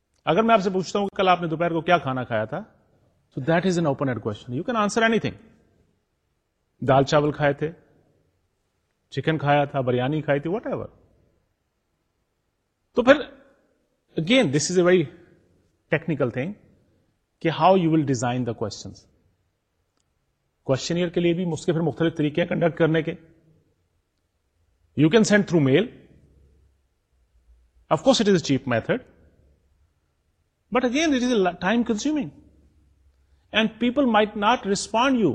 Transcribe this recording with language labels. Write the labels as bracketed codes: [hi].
[ur] اگر میں آپ سے پوچھتا ہوں کہ کل آپ نے دوپہر کو کیا کھانا کھایا تھا, تو [en] That is an open and question. You can answer any thing. [ur] دال چاول کھائے تھے, چکن کھایا تھا, بریانی کھائی تھی, [en] Whatever. تو پھر again this is a very technical thing کہ how you will design the questions. [ur] Questionnaire کے لیے بھی اس کے پھر مختلف طریقے ہیں کنڈکٹ کرنے کے. [en] You can send through mail, of course it is a cheap method, but again it is a time consuming and people might not respond you.